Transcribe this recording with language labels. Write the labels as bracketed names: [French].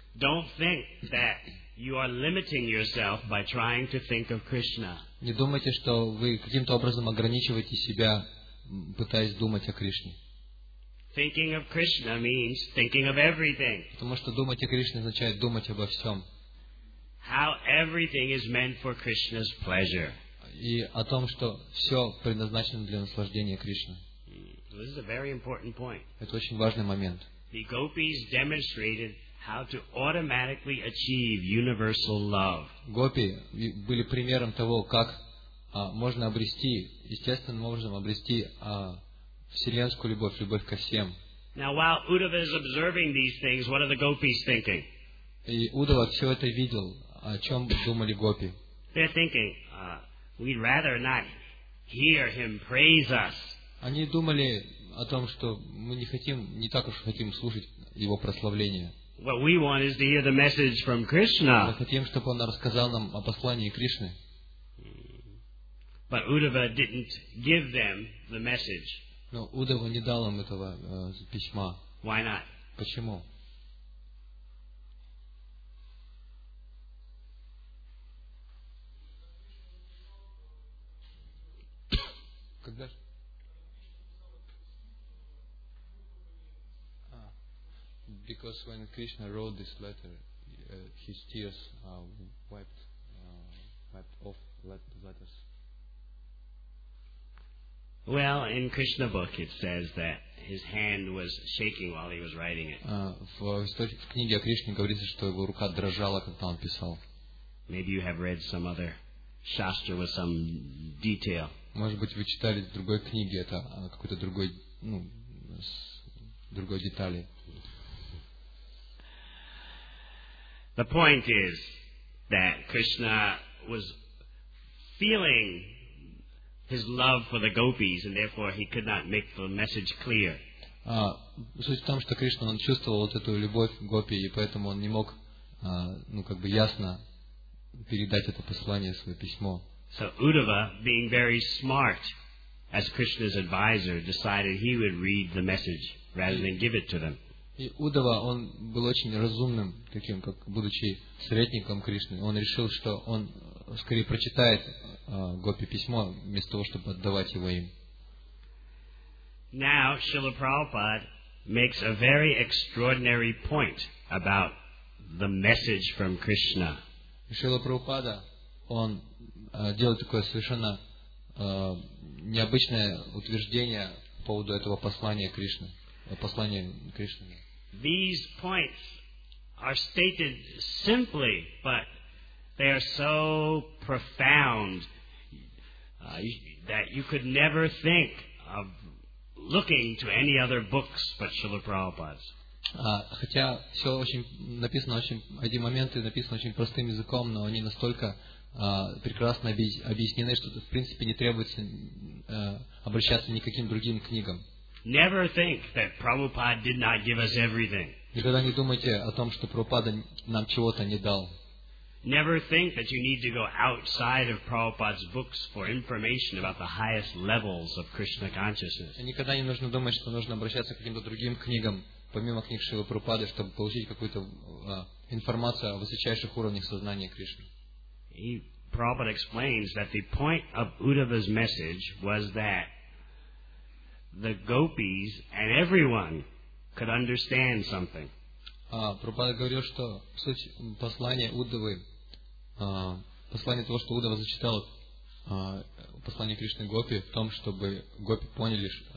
[English] Don't think that you are limiting yourself by trying to think of Krishna. [Russian] Не думайте, что вы каким-то образом ограничиваете себя, пытаясь думать о Кришне. [English] Thinking of Krishna means thinking of everything. [Russian] Потому что думать о Кришне означает думать обо всем. [English] How everything is meant for Krishna's pleasure. [Russian] И о том, что все предназначено для наслаждения Кришны. [English] This is a very important point. [Russian] Это очень важный момент. [English] The gopis demonstrated how to automatically achieve universal love. [Russian] Гопи были примером того, как можно обрести, естественным образом обрести вселенскую любовь, любовь ко всем. [English] Now, while Uddhava is observing these things, what are the gopis thinking? [Russian] И Уддхава все это видел. О чем думали гопи? [English] They're thinking, we'd rather not hear him praise us. [Russian] Они думали о том, что мы не так уж хотим слушать его прославление. [English] What we want is to hear the message from Krishna. [Russian] Мы хотим, чтобы он рассказал нам о послании Кришны. [English] But Uddhava didn't give them the message. [Russian] Но Уддхава не дал им этого письма. [English] Why not? [Russian] Почему? [English] Because when Krishna wrote this letter, his tears wiped off letters. Well, in Krishna book it says that his hand was shaking while he was writing it. [Russian] В книге о Кришне говорится, что его рука дрожала, когда он писал. [English] Maybe you have read some other shastra with some detail. [Russian] Может быть, вы читали в другой книге это какой-то другой, ну, с другой детали. [English] The point is that Krishna was feeling his love for the gopis, and therefore he could not make the message clear. [Russian] Суть в том, что Кришна, он чувствовал вот эту любовь к гопи, и поэтому он не мог, ясно передать это послание, свое письмо. [English] So Uddhava, being very smart as Krishna's advisor, decided he would read the message rather than give it to them. [Russian] И Уддхава, он был очень разумным, таким, как будучи советником Кришны. Он решил, что он скорее прочитает гопи письмо, вместо того, чтобы отдавать его им. [English] Now Srila Prabhupada makes a very extraordinary point about the message from Krishna. [Russian] Srila Prabhupada, он делает такое совершенно необычное утверждение по поводу этого послания Кришны. Послания Кришны. [English] These points are stated simply, but they are so profound that you could never think of looking to any other books but Srila Prabhupada's. [Russian] Хотя все очень написано очень эти моменты написаны очень простым языком, но они настолько прекрасно объяснены, что в принципе не требуется обращаться ни к каким другим книгам. [English] Never think that Prabhupada did not give us everything. [Russian] Никогда не думайте о том, что Прабхупада нам чего-то не дал. [English] Never think that you need to go outside of Prabhupada's books for information about the highest levels of Krishna consciousness. [Russian] Никогда не нужно думать, что нужно обращаться к каким-то другим книгам, помимо книг Шрилы Прабхупады, чтобы получить какую-то информацию о высочайших уровнях сознания Кришны. И [English] Prabhupada explains that the point of Uddhava's message was that the gopis and everyone could understand something. [Russian] Прабхупада говорил, что суть послания Уддавы, послание того, что Уддава зачитал послание Кришны Гопи, в том, чтобы гопи поняли,